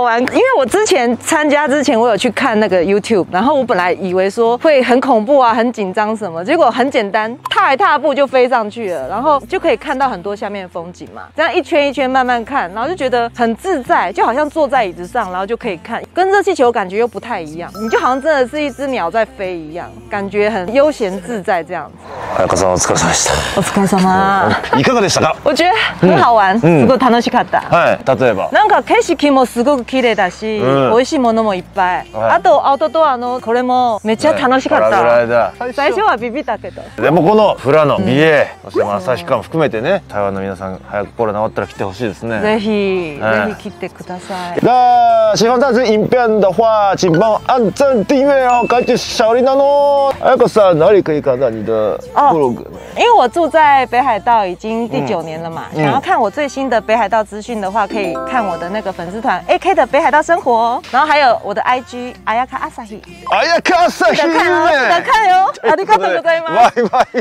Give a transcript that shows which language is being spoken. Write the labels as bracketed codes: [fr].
[zh] 因为我之前参加之前，我有去看那个 YouTube， 然后我本来以为说会很恐怖啊，很紧张什么，结果很简单，踏一踏步就飞上去了，然后就可以看到很多下面的风景嘛。这样一圈一圈慢慢看，然后就觉得很自在，就好像坐在椅子上，然后就可以看，跟热气球感觉又不太一样，你就好像真的是一只鸟在飞一样，感觉很悠闲自在这样子。 [ja] 彩香さん、お疲れ様でした。お疲れ様。いかがでしたか？ [zh] 我觉得很好玩， [ja] すごい楽しかった。はい、例えば。なんか景色もすごく綺麗だし、美味しいものもいっぱい。あとアウトドアのこれもめっちゃ楽しかった。パラグライダー。最初はビビったけど。でもこの富良野美瑛、そしてまあ旭川も含めてね、台湾の皆さん早くコロナ終わったら来てほしいですね。ぜひぜひ来てください。 [zh] 那喜欢这支影片的话，请帮我按赞、订阅哦，开启小铃铛哦。彩香さん、哪里可以看到你的？因为我住在北海道已经第九年了嘛，想要看我最新的北海道资讯的话，可以看我的那个粉丝团 AK 的北海道生活，然后还有我的 IG Ayaka Ak的北海道生活，记得看哦，记得看哦， [ja] ありがとうございます， [zh] 拜拜，